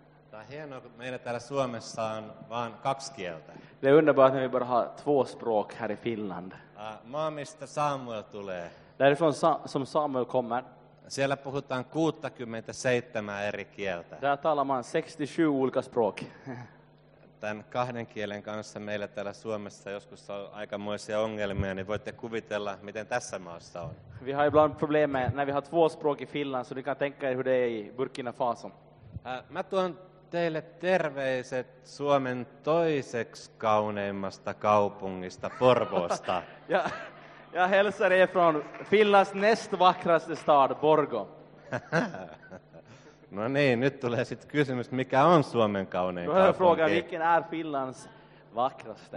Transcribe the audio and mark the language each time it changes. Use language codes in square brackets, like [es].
[fi] Tämä on hienoa, kun meillä täällä Suomessa on vain kaksi kieltä. [sv] Det är underbart att vi bara har två språk här i Finland. [fi] Maa, mistä Samuel tulee. [sv] Därifrån som Samuel kommer. [fi] Siellä puhutaan 67 eri kieltä. [sv] Där talar man 67 olika språk. [fi] Tämän kahden kielen kanssa meillä täällä Suomessa joskus on aikamoisia ongelmia, niin voitte kuvitella, miten tässä maassa on. [sv] Vi har ibland problem med när vi har två språk i Finland, så ni kan tänka er hur det är i Burkina Faso. [fi] Mä tuon teille terveiset Suomen toiseksi kauneimmasta kaupungista, Porvoosta. [sv] Ja hälsar er från Finlands näst vackraste stad, Borgo. [fi] No niin, nyt tulee sitten kysymys, mikä on Suomen kaunein kaupunki? [sv] Voi fråga, vilken är Finlands vackraste?